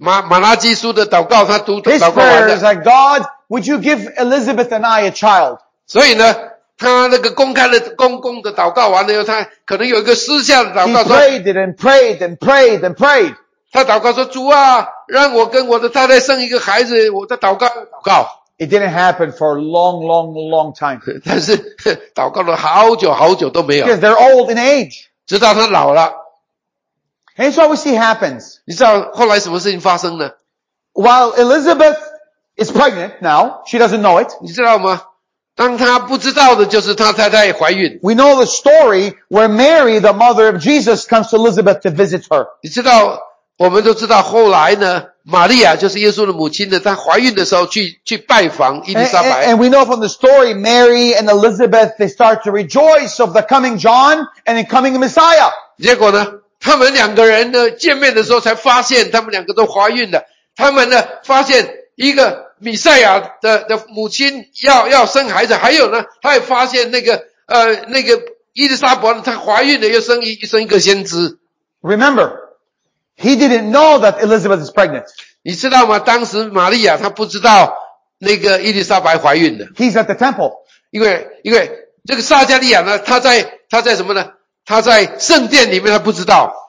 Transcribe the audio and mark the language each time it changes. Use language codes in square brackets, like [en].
[zh] 当然他为他那个马拉基书的祷告, 他读祷告完了。 [en] His prayer is like, God, would you give Elizabeth and I a child? [zh] 所以呢, 他那个公开的公共的祷告完了以后，他可能有一个私下的祷告说， [en] He prayed and prayed and prayed and prayed. [zh] 他祷告说，主啊，让我跟我的太太生一个孩子，我在祷告。 [en] It didn't happen for a long, long, long time. [zh] 但是祷告了好久好久都没有。 [en] Because they're old in age. [zh] 直到他老了。 [en] And so we see happens. [zh] 你知道后来什么事情发生呢? [en] While Elizabeth is pregnant now, she doesn't know it. [zh] 你知道吗? 当他不知道的就是他太太怀孕。 [en] We know the story where Mary, the mother of Jesus, comes to Elizabeth to visit her. [zh] 你知道, 我们都知道后来呢玛利亚就是耶稣的母亲的她怀孕的时候去拜访伊丽莎白。 [en] And we know from the story, Mary and Elizabeth, they start to rejoice of the coming John and the coming Messiah. [zh] 结果呢他们两个人呢见面的时候才发现他们两个都怀孕了。他们呢发现一个弥赛亚 的母亲要生孩子还有呢他也发现那个伊丽莎白呢她怀孕了又生一个先知。 [en] Remember,He didn't know that Elizabeth is pregnant. [zh] 你知道吗？当时玛利亚她不知道那个伊丽莎白怀孕的。 [en] He's at the temple. [zh] 因为这个撒加利亚呢，他在什么呢？他在圣殿里面，他不知道。